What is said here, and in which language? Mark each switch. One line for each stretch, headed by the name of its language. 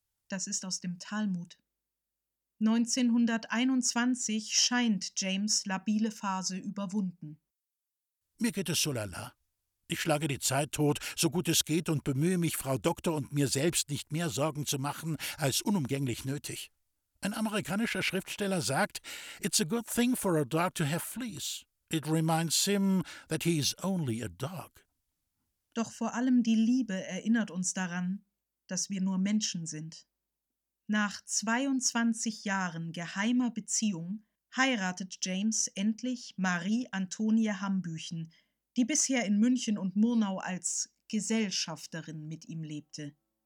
German: Das ist aus dem Talmud. 1921 scheint James' labile Phase überwunden. Mir geht es so lala. Ich schlage die Zeit tot, so gut es geht, und bemühe mich, Frau Doktor und mir selbst nicht mehr Sorgen zu machen, als unumgänglich nötig.
English: Ein amerikanischer Schriftsteller sagt, »It's a good thing for a dog to have fleas. It reminds him that he is only a dog.«
German: Doch vor allem die Liebe erinnert uns daran, dass wir nur Menschen sind. Nach 22 Jahren geheimer Beziehung heiratet James endlich Marie Antonie Hambüchen, die bisher in München und Murnau als Gesellschafterin mit ihm lebte.